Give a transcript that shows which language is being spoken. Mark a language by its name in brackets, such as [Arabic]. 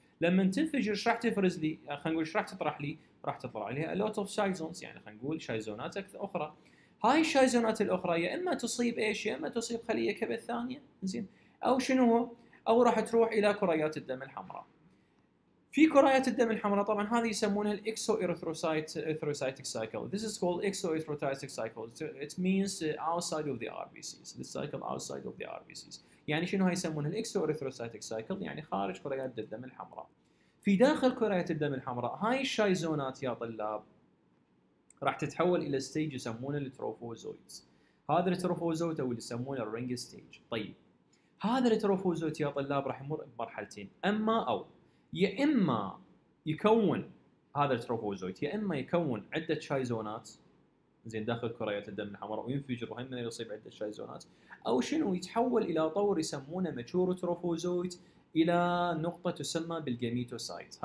[Arabic] لما تنفجر ايش راح تفرز لي؟ خلينا نقول ايش راح تطرح لي؟ راح تطلع عليها [English] a lot of [Arabic] شايزونز، يعني خلينا نقول شايزونات اخرى. هاي الشايزونات الاخرى يا اما تصيب ايش؟ يا اما تصيب خليه كبد ثانيه، زين او شنو هو؟ او راح تروح الى كريات الدم الحمراء. في كريات الدم الحمراء طبعا هذه يسمونها الاكسو ايريثروسايتك سايكل. [English] This is called exo erythrocytic cycle. It means outside of the RBCs. This cycle outside of the RBCs. [Arabic] يعني شنو هاي يسمونها الاكسو ايريثروسايتك سايكل؟ يعني خارج كريات الدم الحمراء. في داخل كريات الدم الحمراء هاي الشايزونات يا طلاب راح تتحول الى ستيج يسمونه التروفوزويتس. هذا التروفوزويت او اللي يسمونه الرينج ستيج. طيب هذا التروفوزويت يا طلاب راح يمر بمرحلتين، اما او يا اما يكون هذا التروفوزويت يا اما يكون عده شايزونات زين داخل كريات الدم الحمراء وينفجر وهم يصيب عده شايزونات، او شنو يتحول الى طور يسمونه ماتور تروفوزويت الى نقطه تسمى بالجاميتوسايت.